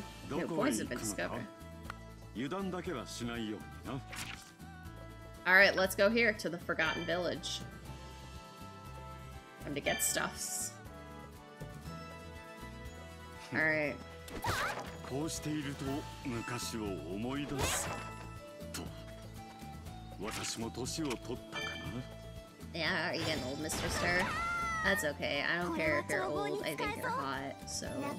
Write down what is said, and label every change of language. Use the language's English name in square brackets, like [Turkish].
[Japanese] どこへ行くのか油断だけはしないようにな。 [English] Alright, let's go here to the Forgotten Village. Time to get stuffs. Alright. [Japanese] こうしていると昔を思い出すと私も年を取ったかな。 [English] Yeah, are you getting old, Mr. Star? That's okay. I don't care if you're old, I think you're hot, so...